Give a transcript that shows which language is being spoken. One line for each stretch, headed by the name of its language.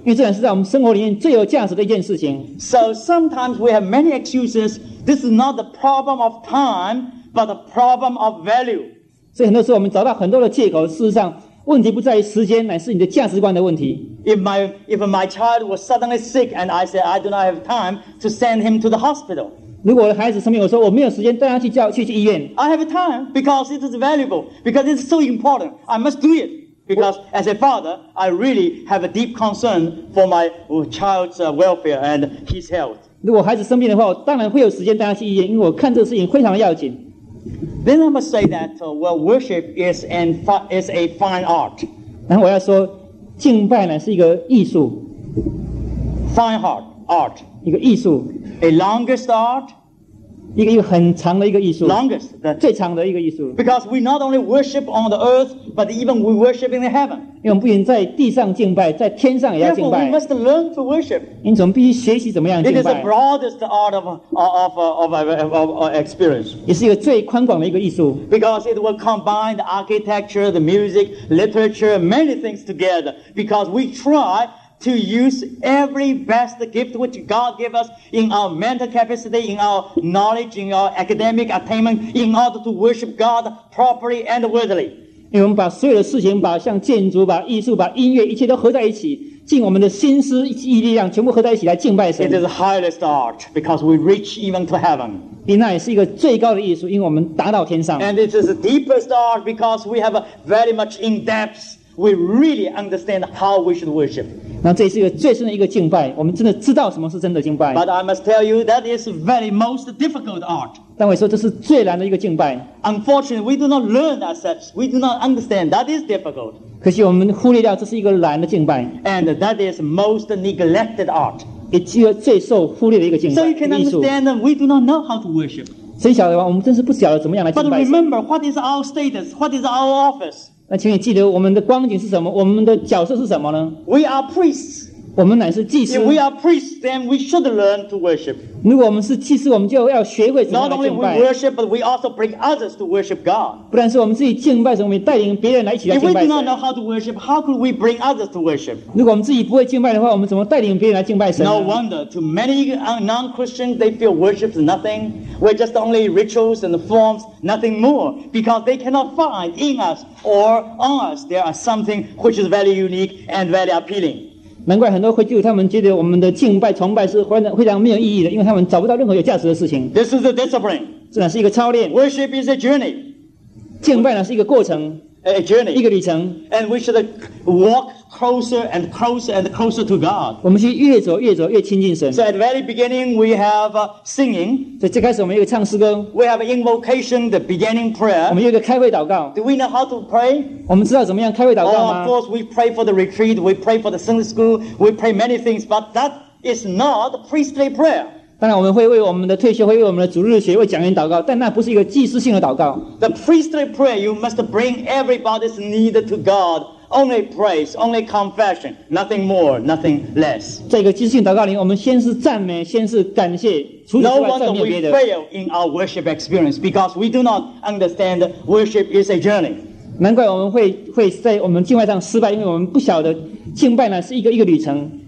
Chinese: 因为这是在我们生活里面最有价值的一件事情。
English: So sometimes we have many excuses. This is not the problem of time, but the problem of value.
Chinese: 所以很多时候我们找到很多的借口，事实上问题不在于时间，乃是你的价值观的问题。
English: If my child was suddenly sick and I said I do not have time to send him to the hospital.
Chinese: 如果我的孩子生病，我说我没有时间带他去医院。
English: I have time because it is valuable, because it's so important. I must do it because as a father, I really have a deep concern for my child's welfare and his health.
Chinese: 如果孩子生病的话，我当然会有时间带他去医院，因为我看这个事情非常的要紧。
English: Then I must say that worship is a fine art.
Chinese: 然后我要说，敬拜呢是一个艺术。
English: Fine art, art.
Chinese: 一个艺术。
English: A longest art.
Chinese: 一个很长的一个艺术。
English: Longest,
Chinese: 最长的一个艺术。
English: Because we not only worship on the earth, but even we worship in the heaven.
Chinese: 因为我们不仅在地上敬拜，在天上也要敬拜。
English: Therefore, we must learn to worship.
Chinese: 因此我们必须学习怎么样敬拜。
English: It is the broadest art of experience.
Chinese: 也是一个最宽广的一个艺术。
English: Because it will combine the architecture, the music, literature, many things together. Because we try. To use every best gift which God gave us in our mental capacity, in our knowledge, in our academic attainment, in order to worship God properly and worthily.
Chinese: 因为我们把所有的事情，把像建筑、把艺术、把音乐，一切都合在一起，尽我们的心思、意力量，全部合在一起来敬拜神。
English: It is the highest art because we reach even to heaven.
Chinese: 比那也是一个最高的艺术，因为我们达到天上。
English: And it is the deepest art because we have a very much in depth. We really understand how we should worship.
Chinese: 那这是一个最深的一个敬拜，我们真的知道什么是真的敬拜。
English: But I must tell you that is very most difficult art.
Chinese: 但我说这是最难的一个敬拜。
English: Unfortunately, we do not learn as such. We do not understand that is difficult.
Chinese: 可惜我们忽略掉这是一个难的敬拜。
English: And that is most neglected art.
Chinese: 也是一个最受忽略的一个敬拜。
English: So you can understand that we do not know how to worship.
Chinese: 谁晓得吗？我们真是不晓得怎么样来敬拜。
English: But remember, what is our status? What is our office?
Chinese: 那请你记得我们的光景是什么，我们的角色是什么呢？
English: We are priests.
Chinese: 我们乃是祭司。
English: If we are priests, then we should learn to worship.
Chinese: 如果我们是祭司，我们就要学会怎么来敬拜。
English: Not only we worship, but we also bring others to worship God.
Chinese: 不但是我们自己敬拜神，我们带领别人来一起来敬拜神。
English: If we do not know how to worship, how could we bring others to worship?
Chinese: 如果我们自己不会敬拜的话，我们怎么带领别人来敬拜神呢？
English: No wonder to many non-Christians, they feel worship is nothing. We're just only rituals and forms, nothing more, because they cannot find in us or on us there are something which is very unique and very appealing.
Chinese: 难怪很多回教他们觉得我们的敬拜崇拜是非常没有意义的，因为他们找不到任何有价值的事情。
English: This is a discipline.
Chinese: 这乃是一个操练。
English: Worship is a journey.
Chinese: 敬拜乃是一个过程。
English: A journey.
Chinese: 一个旅程。
English: And we should walk closer and closer and closer to God.
Chinese: 我们是越走越走越亲近神。
English: So at the very beginning we have singing.
Chinese: 所以最开始我们有一个唱诗歌。
English: We have invocation, the beginning prayer.
Chinese: 我们有一个开会祷告。
English: Do we know how to pray?
Chinese: 我们知道怎么样开会祷告吗？
English: Oh, of course, we pray for the retreat, we pray for the Sunday school, we pray many things, but that is not priestly prayer.
Chinese: 当然，我们会为我们的退休，会为我们的主日学，为讲员祷告，但那不是一个祭司性的祷告。
English: The priestly prayer, you must bring everybody's need to God. Only praise, only confession, nothing more, nothing less.
Chinese: 在一个祭司性祷告里，我们先是赞美，先是感谢。
English: No wonder we fail in our worship experience because we do not understand worship is a journey.
Chinese: 难怪我们 会在我们敬拜上失败，因为我们不晓得敬拜呢是一个旅程。